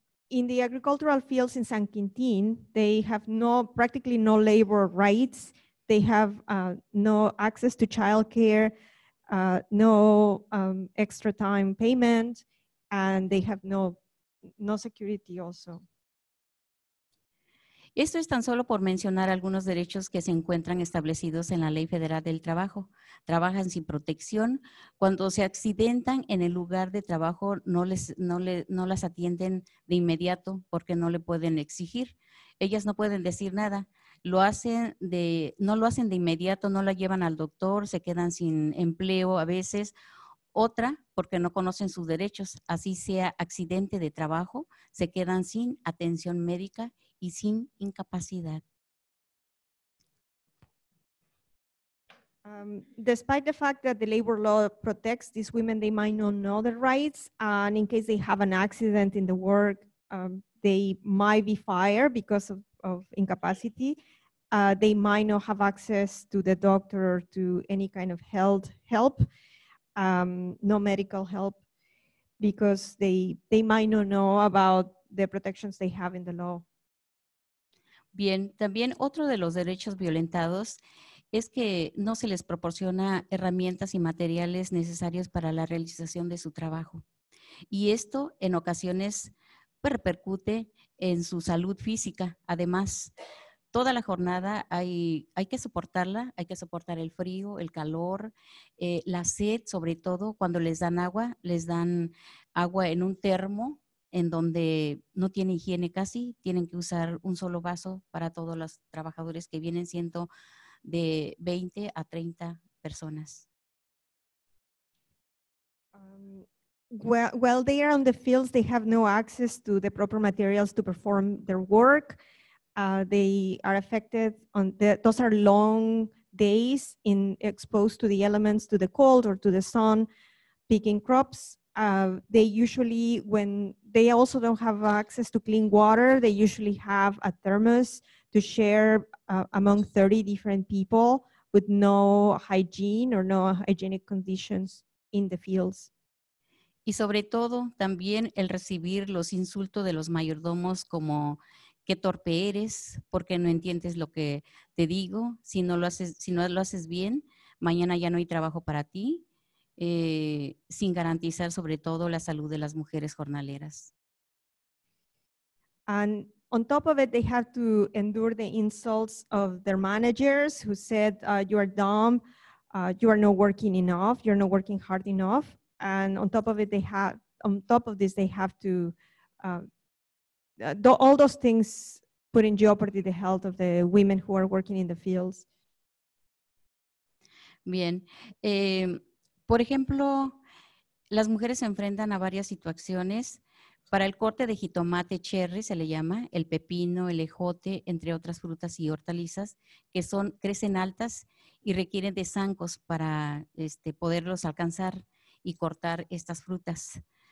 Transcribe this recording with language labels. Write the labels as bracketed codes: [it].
[en] In the agricultural fields in San Quintín, they have practically no labor rights, they have no access to childcare. No extra time payment, and they have no security also. [es] Esto es tan solo por mencionar algunos derechos que se encuentran establecidos en la Ley Federal del Trabajo. Trabajan sin protección. Cuando se accidentan en el lugar de trabajo, no las atienden de inmediato porque no le pueden exigir. Ellas no pueden decir nada. No lo hacen de inmediato, no la llevan al doctor, se quedan sin empleo a veces. Otra, porque no conocen sus derechos, así sea accidente de trabajo, se quedan sin atención médica y sin incapacidad. Despite the fact that the labor law protects these women, they might not know their rights, and in case they have an accident in the work, they might be fired because of incapacity. They might not have access to the doctor or to any kind of health help, no medical help, because they might not know about the protections they have in the law. Bien, también otro de los derechos violentados es que no se les proporciona herramientas y materiales necesarios para la realización de su trabajo. Y esto en ocasiones repercute en su salud física. Además, toda la jornada hay que soportarla, hay que soportar el frío, el calor, la sed, sobre todo cuando les dan agua en un termo en donde no tiene higiene casi, tienen que usar un solo vaso para todos los trabajadores que vienen siendo de 20 a 30 personas. [en] While they are on the fields, they have no access to the proper materials to perform their work. They are affected on those are long days in exposed to the elements, to the cold or to the sun, picking crops. They also don't have access to clean water. They usually have a thermos to share among 30 different people with no hygiene or no hygienic conditions in the fields. [es] Y sobre todo, también el recibir los insultos de los mayordomos como qué torpe eres, porque no entiendes lo que te digo, si no lo haces bien, mañana ya no hay trabajo para ti, sin garantizar sobre todo la salud de las mujeres jornaleras. [en] And on top of it, they have to endure the insults of their managers who said, you are dumb, you are not working enough, you're not working hard enough. And on top of it, all those things put in jeopardy the health of the women who are working in the fields. [es] Bien. Por ejemplo, las mujeres se enfrentan a varias situaciones. Para el corte de jitomate cherry se le llama, el pepino, el ejote, entre otras frutas y hortalizas, que son, crecen altas y requieren de zancos para poderlos alcanzar y cortar estas frutas.